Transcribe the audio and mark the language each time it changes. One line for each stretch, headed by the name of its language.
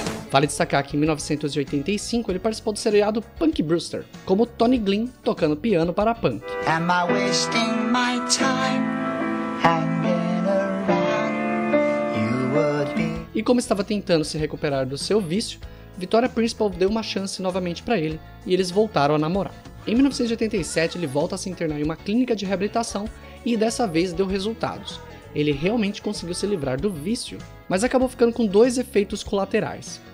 Portuguese: Vale destacar que em 1985 ele participou do seriado Punky Brewster, como Tony Glynn tocando piano para a punk.
English: Am I wasting my time hanging around? You would be...
Portuguese: E como estava tentando se recuperar do seu vício, Victoria Principal deu uma chance novamente para ele e eles voltaram a namorar. Em 1987 ele volta a se internar em uma clínica de reabilitação e dessa vez deu resultados. Ele realmente conseguiu se livrar do vício, mas acabou ficando com dois efeitos colaterais.